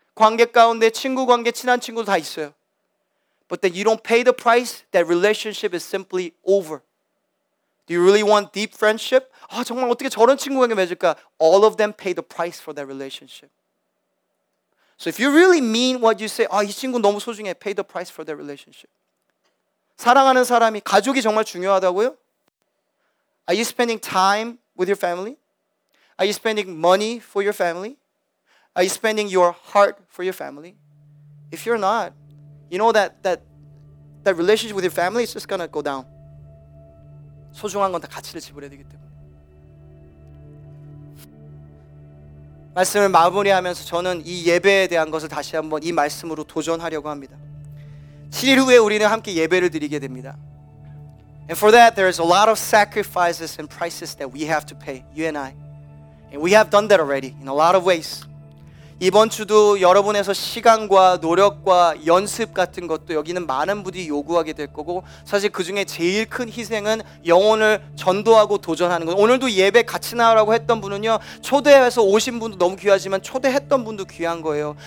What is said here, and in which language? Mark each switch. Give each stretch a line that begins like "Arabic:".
Korean: 관계 가운데 친구 관계, 친한 친구도 다 있어요.
English: But then you don't pay the price, that relationship is simply over. Do you really want deep friendship?
Korean: 아, 정말 어떻게 저런 친구 관계 맺을까?
English: All of them pay the price for that relationship. So if you really mean what you say,
Korean: 아, 이 친구 너무 소중해,
English: pay the price for that relationship.
Korean: 사랑하는 사람이, 가족이 정말 중요하다고요?
English: Are you spending time with your family? Are you spending money for your family? Are you spending your heart for your family? If you're not, you know that relationship with your family is just gonna go down.
Korean: 소중한 건 다 가치를 지불해야 되기 때문에. 말씀을 마무리하면서 저는 이 예배에 대한 것을 다시 한번 이 말씀으로 도전하려고 합니다. 7일 후에 우리는 함께 예배를 드리게 됩니다.
English: And for that, there is a lot of sacrifices and prices that we have to pay, you and I. And we have done that already in a lot of ways.
Korean: 이번 주도 여러분에서 시간과 노력과 연습 같은 것도 여기는 많은 분들이 요구하게 될 거고 사실 그 중에 제일 큰 희생은 영혼을 전도하고 도전하는 거예요. 오늘도 예배 같이 나오라고 했던 분은요 초대해서 오신 분도 너무 귀하지만 초대했던 분도 귀한 거예요.